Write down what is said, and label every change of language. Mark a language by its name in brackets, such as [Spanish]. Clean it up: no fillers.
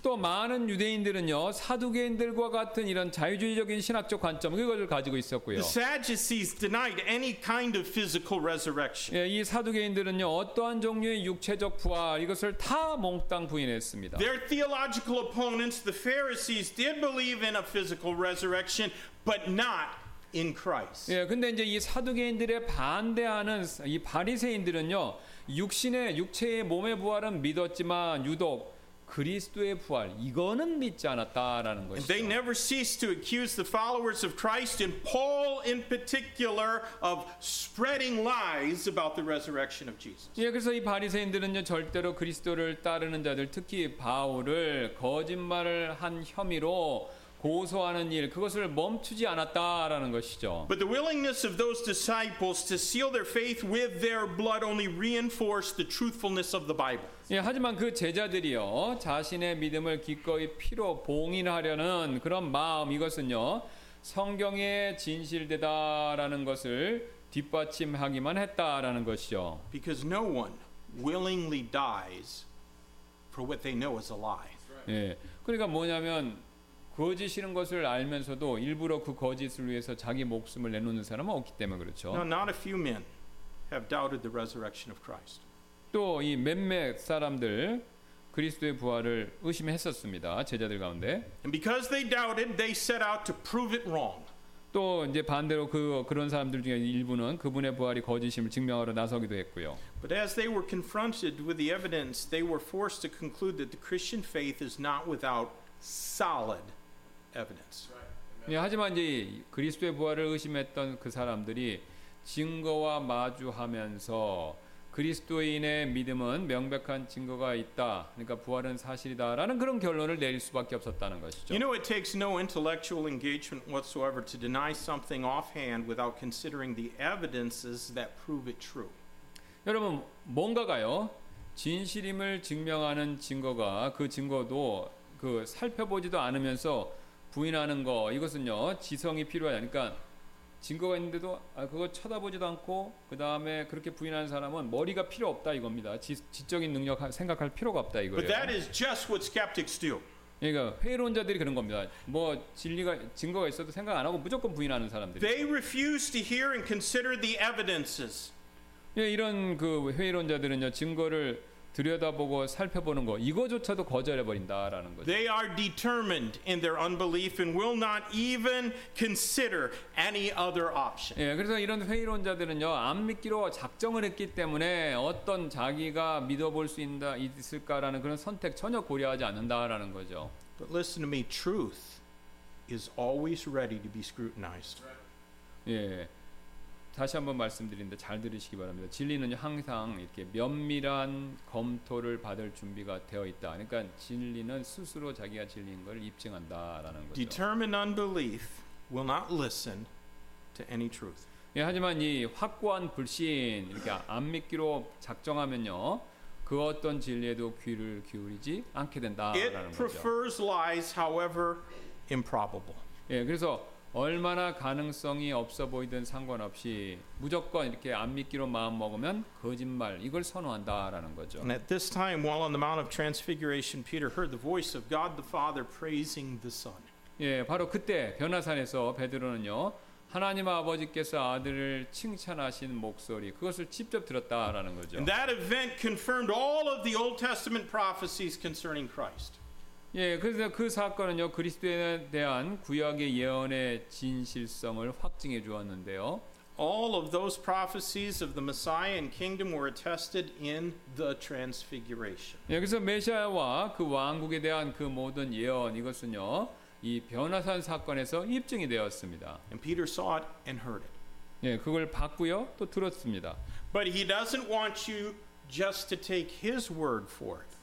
[Korean] 또 많은 유대인들은요 사두개인들과 같은 이런 자유주의적인 신학적 관점 그것을 가지고 있었고요. [English] The Sadducees denied any kind of physical resurrection. [Korean] 예, 이 사두개인들은요 어떠한 종류의 육체적 부활 이것을 다 몽땅 부인했습니다. [English] Their theological opponents, the Pharisees, did believe in a physical resurrection, but not in Christ. [Korean] 예, 근데 이제 이 사두개인들의 반대하는 이 바리새인들은요, 육신의 육체의 몸의 부활은 믿었지만 유독 그리스도의 부활 이거는 믿지 않았다라는 것이죠. [English] They never cease to accuse the followers of Christ and Paul in particular of spreading lies about the resurrection of Jesus. [Korean] 예, 그래서 이 바리새인들은요 절대로 그리스도를 따르는 자들 특히 바울을 거짓말을 한 혐의로 고소하는 일 그것을 멈추지 않았다라는 것이죠. [English] But the willingness of those disciples to seal their faith with their blood only reinforced the truthfulness of the Bible. [Korean] 예, 하지만 그 제자들이요 자신의 믿음을 기꺼이 피로 봉인하려는 그런 마음 이것은요 성경의 진실되다라는 것을 뒷받침하기만 했다라는 것이죠. [English] Because no one willingly dies for what they know is a lie. [Korean] 예, 그러니까 뭐냐면 거짓이라는 것을 알면서도 일부러 그 거짓을 위해서 자기 목숨을 내놓는 사람은 없기 때문에 그렇죠. [English] Now, not a few men have doubted the resurrection of Christ. [Korean] 또 이 몇몇 사람들 그리스도의 부활을 의심했었습니다. 제자들 가운데. [English] And because they doubted, they set out to prove it wrong. [Korean] 또 이제 반대로 그런 사람들 중에 일부는 그분의 부활이 거짓임을 증명하러 나서기도 했고요. [English] But as they were confronted with the evidence, they were forced to conclude that the Christian faith is not without solid evidence. [Korean] 예, 하지만 이제 그리스도의 부활을 의심했던 그 사람들이 증거와 마주하면서 그리스도인의 믿음은 명백한 증거가 있다. 그러니까 부활은 사실이다라는 그런 결론을 내릴 수밖에 없었다는 것이죠. [English] You know, it takes no intellectual engagement whatsoever to deny something offhand without considering the evidences that prove it true. [Korean] 여러분, 뭔가가요? 진실임을 증명하는 증거가 그 증거도 그 살펴보지도 않으면서 부인하는 거 이것은요 지성이 필요하니까 증거가 있는데도 그거 쳐다보지도 않고 그 다음에 그렇게 부인하는 사람은 머리가 필요 없다 이겁니다. 지적인 능력 생각할 필요가 없다 이거예요. [English] But that is just what skeptics do. [Korean] 그러니까 회의론자들이 그런 겁니다. 뭐 진리가 증거가 있어도 생각 안 하고 무조건 부인하는 사람들. [English] They refuse to hear and consider the evidences. [Korean] 예, 이런 그 회의론자들은요 증거를 들여다보고 살펴보는 거 이거조차도 거절해 버린다라는 거죠. [English] They are determined in their unbelief and will not even consider any other option. [Korean] 예, 그래서 이런 회의론자들은요 안 믿기로 작정을 했기 때문에 어떤 자기가 믿어볼 수 있을까라는 그런 선택 전혀 고려하지 않는다라는 거죠. [English] But listen to me, truth is always ready to be scrutinized. [Korean] 예. 다시 한번 말씀드리는데 잘 들으시기 바랍니다. 진리는 항상 이렇게 면밀한 검토를 받을 준비가 되어 있다. 그러니까 진리는 스스로 자기가 진리인 걸 입증한다라는 거죠. [English] Determined unbelief will not listen to any truth. [Korean] 예, 하지만 이 확고한 불신 이렇게 안 믿기로 작정하면요. 그 어떤 진리에도 귀를 기울이지 않게 된다라는 [English] it [Korean] 거죠. [English] It prefers lies however improbable. [Korean] 예, 그래서 얼마나 가능성이 없어 보이든 상관없이 무조건 이렇게 안 믿기로 마음 먹으면 거짓말 이걸 선호한다라는 거죠. [English] And at this time, while on the Mount of Transfiguration, Peter heard the voice of God the Father praising the Son. [Korean] 예, 바로 그때 변화산에서 베드로는요 하나님 아버지께서 아들을 칭찬하신 목소리 그것을 직접 들었다라는 거죠. [English] And that event confirmed all of the Old Testament prophecies concerning Christ. [Korean] 예, 그래서 그 사건은요 그리스도에 대한 구약의 예언의 진실성을 확증해 주었는데요. [English] All of those prophecies of the Messiah and kingdom were attested in the Transfiguration. [Korean] 예, 그래서 메시아와 그 왕국에 대한 그 모든 예언 이것은요 이 변화산 사건에서 입증이 되었습니다. [English] And Peter saw it and heard it. [Korean] 예, 그걸 봤고요 또 들었습니다. [English] But he doesn't want you just to take his word for it.